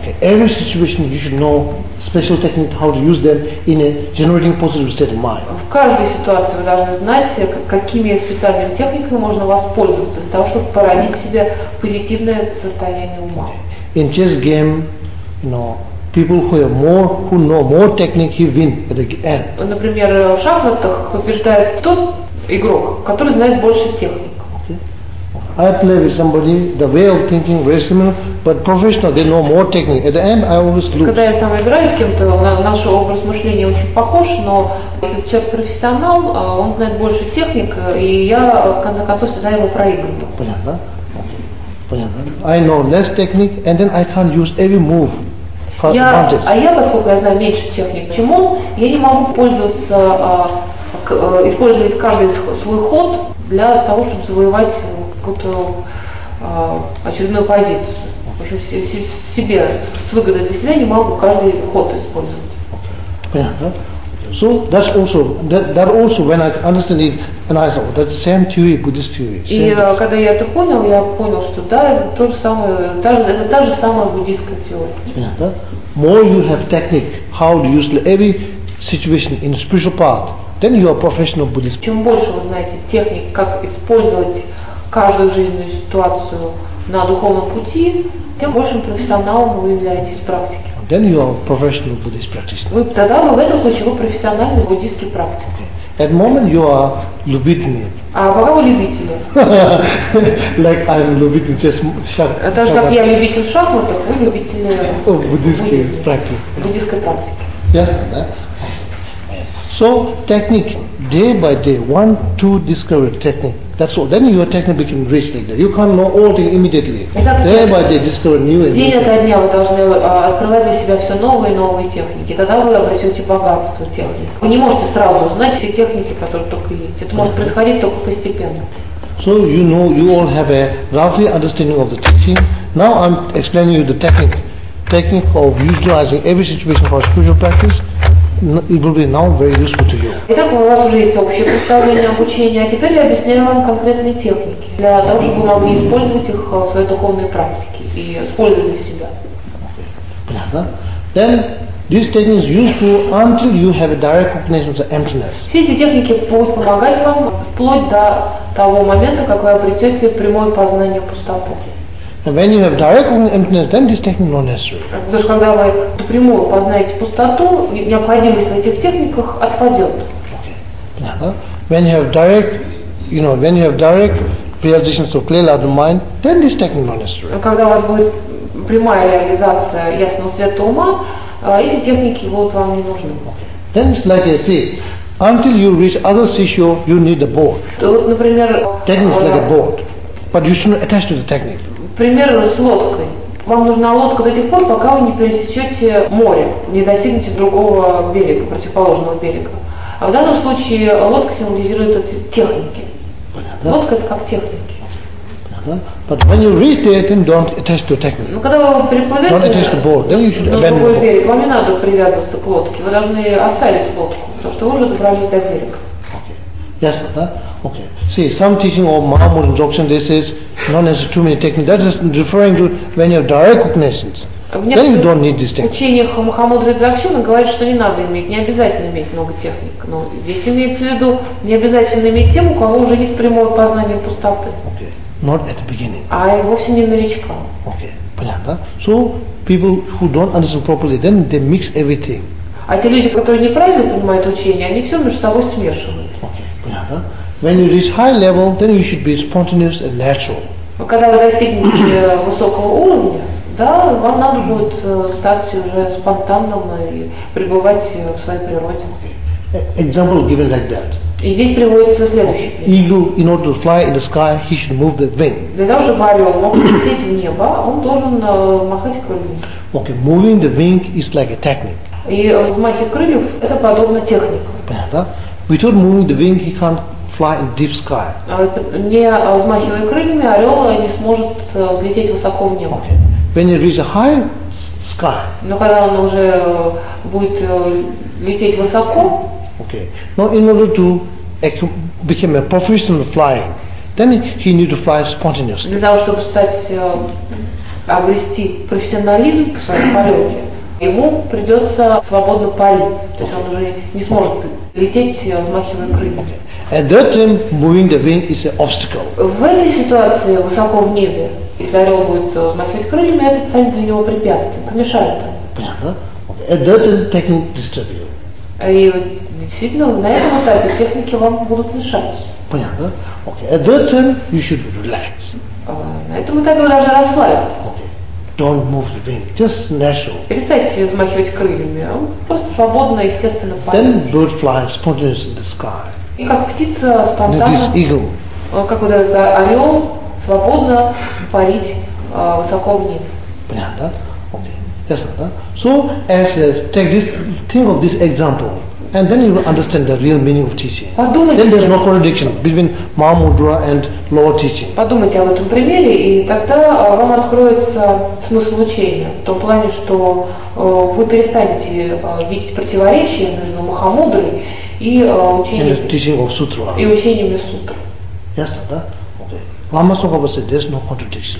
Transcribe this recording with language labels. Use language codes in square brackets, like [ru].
[en] Okay. Every situation you should know special technique, how to use them in a generating positive state of mind. [ru] В каждой ситуации вы должны знать, какими специальными техниками можно воспользоваться для того, чтобы породить в себе позитивное состояние ума. [en] Okay. In chess game, people who know more technique, he win at the end. [ru] Например, в шахматах побеждает тот игрок, который знает больше техник. [en] Okay. I play with somebody, the way of thinking very similar, but professional, they know more technique. At the end, I always lose. [ru] Когда я сам играю с кем-то, наш образ мышления очень похож, но если человек профессионал, он знает больше техник, и я, в конце концов, всегда его проигрываю. Понятно? Понятно. [en] I know less technique, and then I can't use every move. [ru] Я, поскольку я знаю меньше техник, чем он, я не могу использовать каждый свой ход для того, чтобы завоевать какую-то очередную позицию. В общем, себе с выгодой для себя не могу каждый ход использовать. Понятно. [en] So that also when I understand it, and I thought that's the same theory, Buddhist theory. [ru] Когда я это понял, я понял, что да, это та же самая буддийская теория. Понятно. [en] More you have technique, how to use every situation in the spiritual path. Then you are professional Buddhist. [ru] Чем больше вы знаете техник, как использовать каждую жизненную ситуацию на духовном пути, тем большим профессионалом вы являетесь в практике. [en] Then you are professional Buddhist practitioner. [ru] Тогда вы в этом случае вы профессиональный буддийский практик. [en] Okay. At moment you are [ru] любитель. А пока вы любитель. [en] Like I'm [ru] любитель шахмат. Это же как я любитель шахматов, вы любитель буддийской практики. Буддийской практики. Ясно, да? [en] So technique day by day, one, two, discover technique. That's all. Then your technique becomes rich like that. You can't know all things immediately. Day by day, discover new and new. [ru] День ото дня вы должны открывать для себя все новые и новые техники. Тогда вы обретете богатство техник. Вы не можете сразу узнать все техники, которые только есть. Это может происходить только постепенно. [en] So you all have a roughly understanding of the teaching. Now I'm explaining you the technique. technique of utilizing every situation for spiritual practice, it will be now very useful to you. [ru] Итак, у вас уже есть общее представление об учении, а теперь я объясняю вам конкретные техники для того, чтобы вам использовать их в своей духовной практике и использовать для себя. Понятно? [en] Then this technique is useful until you have a direct recognition of the emptiness. [ru] Все эти техники будут помогать вам вплоть до того момента, как вы обретете прямое познание пустоты. [en] And when you have direct emptiness, then this technique is not necessary. [ru] Потому что когда вы напрямую познаете пустоту, необходимость в этих техниках отпадет. [en] When you have direct, you know, when you have direct realization of clear light of mind, then this technique is not necessary. [ru] Когда у вас будет прямая реализация ясного света ума, эти техники будут вам не нужны. [en] Then it's like I say, until you reach other sisho, you need the boat. [ru] Вот, например, [en] technique is like a boat, but you shouldn't attach to the technique. [ru] Пример с лодкой. Вам нужна лодка до тех пор, пока вы не пересечете море, не достигнете другого берега, противоположного берега. А в данном случае лодка символизирует эти техники. Понятно. Лодка это как техники. [en] But when you reach there, then don't attach to technique. [ru] Но когда вы переплывете, [en] don't attach to board. Then you should abandon the boat. [ru] Вам не надо привязываться к лодке. Вы должны оставить лодку, потому что вы уже добрались до берега. [en] Okay. Yes, [ru] да? [en] Okay. See, some teaching of Mahamud and Dzogchen, they say, not necessarily too many techniques. That is referring to when you have direct cognizance. Then you don't need this technique. [ru] В учениях Махамудры Дзогчена говорят, что не надо иметь, не обязательно иметь много техник. Но здесь имеется в виду, не обязательно иметь тем, у кого уже есть прямое познание пустоты. [en] Okay. Not at the beginning. [ru] А и вовсе не новичка. Okay. Понятно? [en] So, people who don't understand properly, then they mix everything. [ru] А те люди, которые неправильно понимают учение, они все между собой смешивают. Okay. Понятно? [en] When you reach high level, then you should be spontaneous and natural. [ru] Когда вы достигнете высокого уровня, да, вам надо будет стать уже спонтанным и пребывать в своей природе. [en] Example given like that. [ru] И здесь приводится следующий пример. [en] Eagle, in order to fly in the sky, he should move the wing. [ru] Для того, чтобы орел мог лететь в небо, он должен махать крыльями. [en] Okay, moving the wing is like a technique. [ru] И взмахи крыльев – это подобно технике. Понятно? [en] Without moving the wing, he can't fly in deep sky. [ru] Не взмахивая крыльями, орел не сможет взлететь высоко в небо. [en] Okay. When he reaches a high sky. [ru] Но когда он уже будет лететь высоко. [en] Okay. Now in order to become a professional flying, then he need to fly spontaneously. [ru] Для того, чтобы стать, обрести профессионализм в своем полете, ему придется свободно парить. То есть он уже не сможет лететь, взмахивая крыльями. [en] Okay. At that time, moving the wing is an obstacle. [ru] В этой ситуации, высоко в небе, если орел будет взмахивать крыльями, это станет для него препятствием, помешает ему. Понятно? [en] At that time, technique disturb you. [ru] И действительно, на этом этапе техники вам будут мешать. Понятно? [en] Okay. At that time, you should relax. [ru] На этом этапе вы должны расслабиться. [en] Okay. Don't move the wing. Just natural. [ru] Перестаньте взмахивать крыльями. Просто свободно, естественно, парить. [en] Then bird flies spontaneously in the sky. [ru] И как птица спонтанно, [en] this eagle. [ru] Как вот этот орел, свободно парить высоко в небе. Понятно? [en] Yes, huh? So, as take this, think of this example, and then you will understand the real meaning of teaching. [ru] Подумайте, [en] then there is no contradiction between Mahamudra and lower teaching. [ru] Подумайте об этом примере, и тогда вам откроется смысл учения, в том плане, что вы перестанете видеть противоречие между Махамудрой и учениями сутры. [en] Yes, huh? Okay. Lama Tsongkhapa said, there is no contradiction.